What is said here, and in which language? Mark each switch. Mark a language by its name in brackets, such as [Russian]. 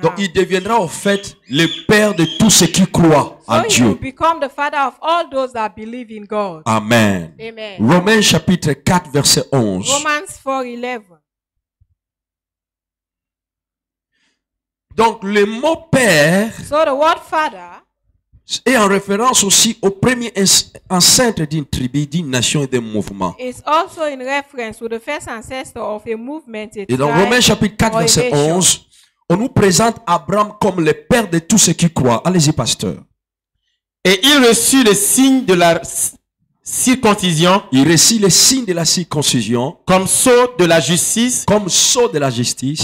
[French] Donc il deviendra en fait le père de tous ceux qui croient [English] so [French] en Dieu. [English] So he will become the father of all those that believe in God. [French] Amen. [English] Amen. [French] Romains chapitre 4 verset 11. [English] Romans 4:11. [French] Donc le mot père [English] so the word father, [French] est en référence aussi au premier ancêtre d'une tribu, d'une nation et d'un mouvement. [English] It's also in reference to the first ancestor of a movement. A [French] et dans Romains chapitre 4 verset 11, on nous présente Abraham comme le père de tous ceux qui croient. Allez-y pasteur. Et il reçut le signe de la circoncision. Il reçut le signe de la circoncision comme sceau de la justice. Comme sceau de la justice.